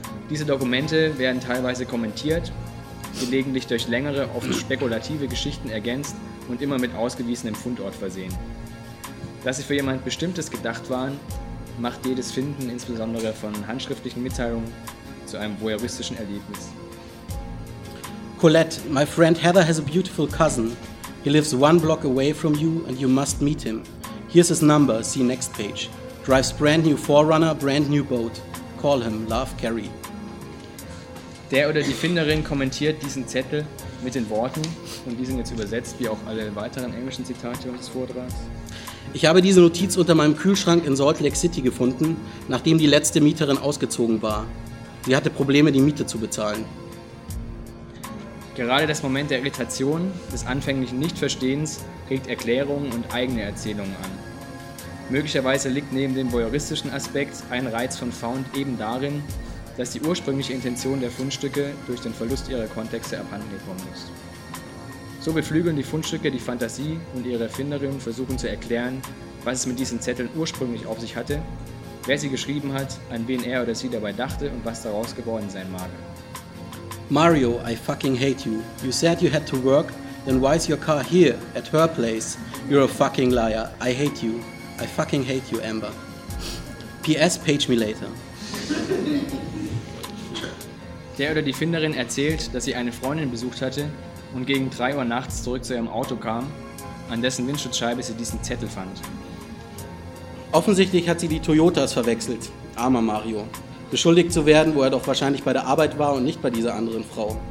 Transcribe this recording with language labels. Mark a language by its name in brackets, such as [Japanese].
[German] Diese Dokumente werden teilweise kommentiert, gelegentlich durch längere, oft spekulative Geschichten ergänzt und immer mit ausgewiesenem Fundort versehen. Dass sie für jemand Bestimmtes gedacht waren, macht jedes Finden, insbesondere von handschriftlichen Mitteilungen, zu einem voyeuristischen Erlebnis. [English] Colette, my friend Heather has a beautiful cousin. He lives one block away from you and you must meet him. Here's his number, see next page. Drives brand new 4Runner, brand new boat. Call him, love, Carrie. [German] Der oder die Finderin kommentiert diesen Zettel mit den Worten und die sind jetzt übersetzt, wie auch alle weiteren englischen Zitate unseres Vortrags. Ich habe diese Notiz unter meinem Kühlschrank in Salt Lake City gefunden, nachdem die letzte Mieterin ausgezogen war. Sie hatte Probleme, die Miete zu bezahlen. Gerade das Moment der Irritation, des anfänglichen Nichtverstehens, regt Erklärungen und eigene Erzählungen an. Möglicherweise liegt neben dem voyeuristischen Aspekt ein Reiz von Found eben darin, dass die ursprüngliche Intention der Fundstücke durch den Verlust ihrer Kontexte abhanden gekommen ist. So beflügeln die Fundstücke die Fantasie und ihre Erfinderin versuchen zu erklären, was es mit diesen Zetteln ursprünglich auf sich hatte, wer sie geschrieben hat, an wen er oder sie dabei dachte und was daraus geworden sein mag. [English] Mario, I fucking hate you. You said you had to work, then why is your car here, at her place? You're a fucking liar. I hate you. I fucking hate you, Amber. P.S. Page me later. [German] Der oder die Finderin erzählt, dass sie eine Freundin besucht hatte und gegen 3 Uhr nachts zurück zu ihrem Auto kam, an dessen Windschutzscheibe sie diesen Zettel fand. Offensichtlich hat sie die Toyotas verwechselt, armer Mario. Beschuldigt zu werden, wo er doch wahrscheinlich bei der Arbeit war und nicht bei dieser anderen Frau.